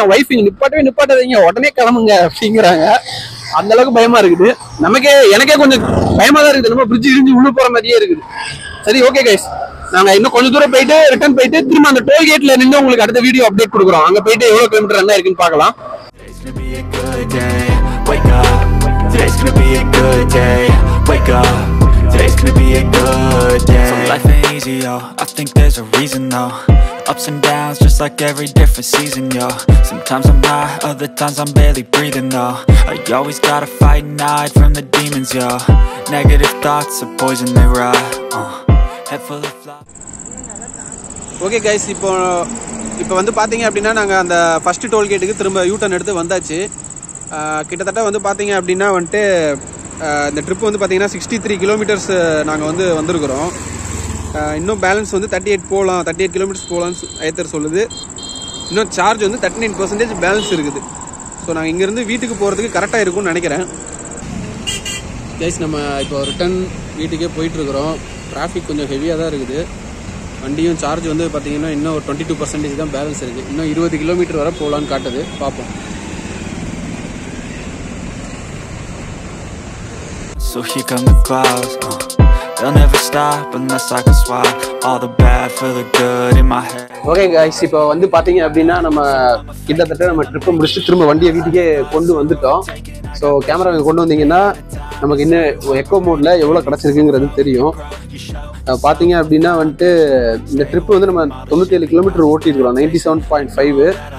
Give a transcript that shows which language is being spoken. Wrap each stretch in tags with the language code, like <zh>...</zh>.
<ta>என் wife இங்கே நிப்பாட்டவே நிப்பாட்டாதீங்க, உடனே கிளம்புங்க அப்படிங்கிறாங்க, அந்தளவுக்கு பயமாக இருக்குது. நமக்கே எனக்கே கொஞ்சம் பயமாக தான் இருக்குது, நம்ம பிரிட்ஜ் இருந்து உள்ளே போகிற மாதிரியே இருக்குது. சரி ஓகே கைஸ், நாங்கள் இன்னும் கொஞ்சம் தூரம் போயிட்டு ரிட்டர்ன் போயிட்டு திரும்ப அந்த டோல்கேட்டில் நின்று உங்களுக்கு அடுத்த வீடியோ அப்டேட் கொடுக்குறோம். அங்கே போயிட்டு எவ்வளோ கிலோமீட்டர் என்ன இருக்குன்னு பார்க்கலாம்.</ta> <en>Today's gonna be a good day. Wake up. Today's gonna be a good day. So life ain't easy, yo. I think there's a reason, though. Ups and downs, just like every different season, yo. Sometimes I'm high, other times I'm barely breathing, though. I always gotta fight and hide from the demons, yo. Negative thoughts are poison, they rot. Head full of flies. Okay, guys.</en> <ta>இப்போ வந்து பாத்தீங்க அப்படின்னா, நாங்க அந்த first டோல்கேட்டுக்கு திரும்ப you-turn எடுத்து வந்தாச்சு. கிட்டத்தட்ட வந்து பார்த்தீங்க அப்படின்னா வந்துட்டு இந்த ட்ரிப் வந்து பார்த்தீங்கன்னா 63 கிலோமீட்டர்ஸ் நாங்கள் வந்து வந்திருக்கிறோம். இன்னும் பேலன்ஸ் வந்து 38 கிலோமீட்டர்ஸ் போகலான்னு ஏத்தர் சொல்லுது. இன்னும் சார்ஜ் வந்து 39% பேலன்ஸ் இருக்குது. ஸோ நாங்கள் இங்கேருந்து வீட்டுக்கு போகிறதுக்கு கரெக்டாக இருக்கும்னு நினைக்கிறேன். கைஸ், நம்ம இப்போ ரிட்டர்ன் வீட்டுக்கே போயிட்டுருக்குறோம். டிராஃபிக் கொஞ்சம் ஹெவியாக தான் இருக்குது. வண்டியும் சார்ஜ் வந்து பார்த்தீங்கன்னா இன்னும் 22% தான் பேலன்ஸ் இருக்குது. இன்னும் 20 கிலோமீட்டர் வரை போகலான்னு காட்டுது, பார்ப்போம்.</ta> <en>So here come the clouds, they'll never stop unless I can swap all the bad for the good in my head. Okay guys,</en> <ta>இப்போ வந்து பாத்தீங்க அப்படினா நம்ம கிட்டத்தட்ட நம்ம ட்ரிப் முடிச்சு திரும்ப வண்டியை வீட்டுக்கே கொண்டு வந்துட்டோம். ஸோ கேமரா இங்கே கொண்டு வந்தீங்கன்னா நமக்கு இன்னும் எக்கோ மோடில் எவ்வளோ கிடச்சிருக்குங்கிறது தெரியும். பார்த்தீங்க அப்படின்னா வந்துட்டு இந்த ட்ரிப்பு வந்து நம்ம 97 கிலோமீட்டர் ஓட்டிருக்கிறோம், 97.5.</ta>